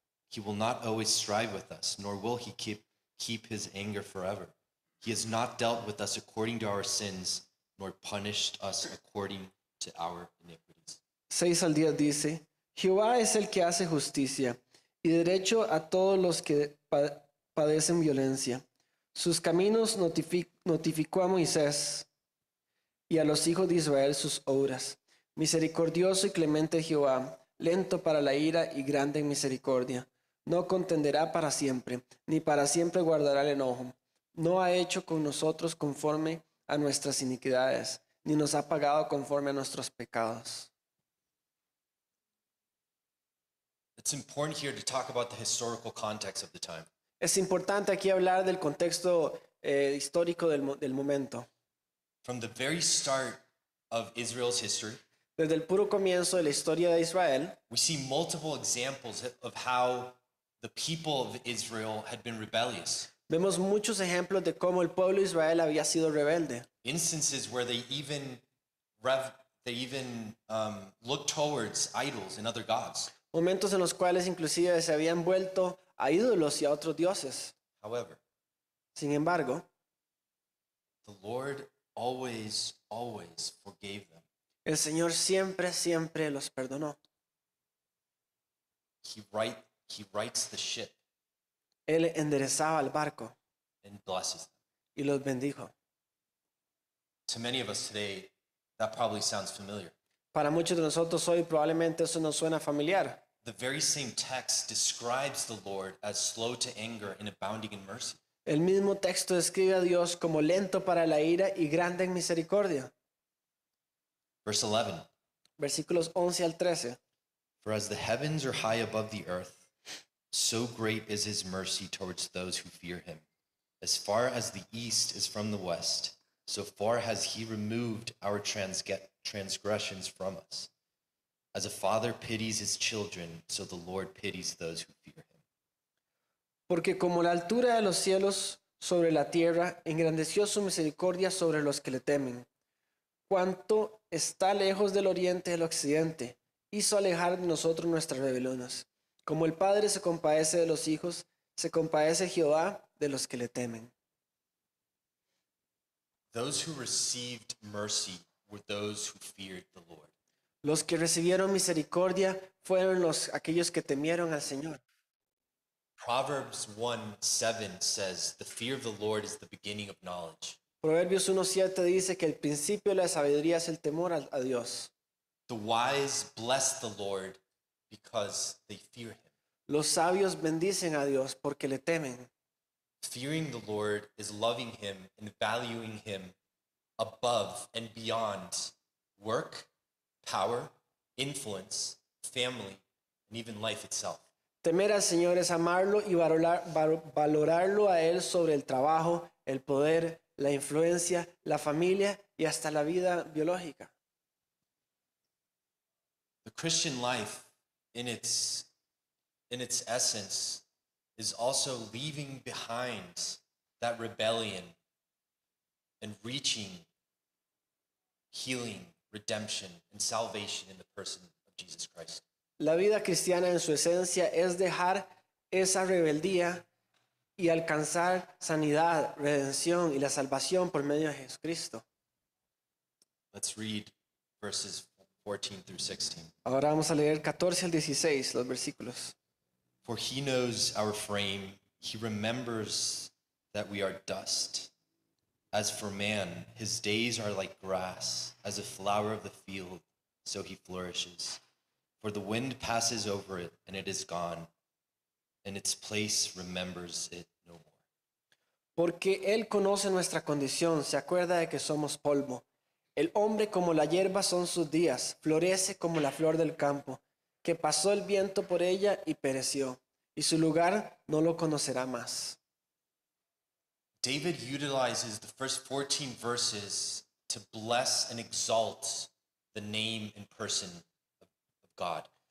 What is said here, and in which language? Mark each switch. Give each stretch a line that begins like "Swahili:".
English: He will not always strive with us, nor will he keep his anger forever. He has not dealt with us according to our sins, nor punished us according to our iniquities.
Spanish: 6 al 10 dice: Jehová es el que hace justicia y derecho a todos los que padecen violencia. Sus caminos notificó a Moisés y a los hijos de Israel sus obras. Misericordioso y clemente Jehová, lento para la ira y grande en misericordia. No contenderá para siempre, ni para siempre guardará el enojo. No ha hecho con nosotros conforme a nuestras iniquidades, ni nos ha pagado conforme a nuestros pecados.
English: It's important here to talk about the historical context of the time.
Spanish: Es importante aquí hablar del contexto histórico del momento.
English: From the very start of Israel's history,
Spanish: desde el puro comienzo de la historia de Israel,
English: we see multiple examples of how the people of Israel had been rebellious.
Spanish: Vemos muchos ejemplos de cómo el pueblo de Israel había sido rebelde.
English: Instances where they even looked towards idols and other gods.
Spanish: Momentos en los cuales inclusive se habían vuelto a ídolos y a otros dioses.
English: However,
Spanish: sin embargo,
English: the Lord always, always forgave them.
Spanish: El Señor siempre, siempre los perdonó.
English: He writes the ship.
Spanish: Él enderezaba el barco.
English: And blesses them.
Spanish: Y los bendijo.
English: To many of us today, that probably sounds familiar.
Spanish: Para muchos de nosotros hoy probablemente eso nos suena familiar.
English: The very same text describes the Lord as slow to anger and abounding in mercy.
Spanish: El mismo texto describe a Dios como lento para la ira y grande en misericordia.
English: Verse 11.
Spanish: Versículos 11 al 13.
English: For as the heavens are high above the earth, so great is his mercy towards those who fear him. As far as the east is from the west, So far has he removed our transgressions from us. As a father pities his children, so the Lord pities those who fear him.
Spanish: Porque como la altura de los cielos sobre la tierra, engrandeció su misericordia sobre los que le temen. Cuanto está lejos del oriente y del occidente, hizo alejar de nosotros nuestras rebeliones. Como el padre se compadece de los hijos, se compadece Jehová de los que le temen.
English: Those who received mercy were those who feared the Lord.
Spanish: Los que recibieron misericordia fueron aquellos que temieron al Señor.
English: Proverbs 1:7 says, "The fear of the Lord is the beginning of knowledge."
Spanish: Proverbios 1:7 dice que el principio de la sabiduría es el temor a Dios.
English: The wise bless the Lord because they fear him.
Spanish: Los sabios bendicen a Dios porque le temen.
English: Fearing the Lord is loving him and valuing him above and beyond work, power, influence, family, and even life itself.
Spanish: Temer al Señor es amarlo y valorarlo a Él sobre el trabajo, el poder, la influencia, la familia y hasta la vida biológica.
English: The Christian life, in its essence, is also leaving behind that rebellion and reaching healing, redemption, and salvation in the person of Jesus Christ.
Spanish: La vida cristiana en su esencia es dejar esa rebeldía y alcanzar sanidad, redención y la salvación por medio de Jesucristo.
English: Let's read verses 14 through 16.
Spanish: Ahora vamos a leer 14 al 16, los versículos.
English: For he knows our frame, he remembers that we are dust. As for man, his days are like grass, as a flower of the field, so he flourishes. For the wind passes over it, and it is gone, and its place remembers it no more.
Spanish: Porque él conoce nuestra condición, se acuerda de que somos polvo. El hombre como la hierba son sus días, florece como la flor del campo, que pasó el viento por ella y pereció, y su lugar no lo conocerá más.
English: David utilizes the first 14 verses to bless and exalt the name and person of God.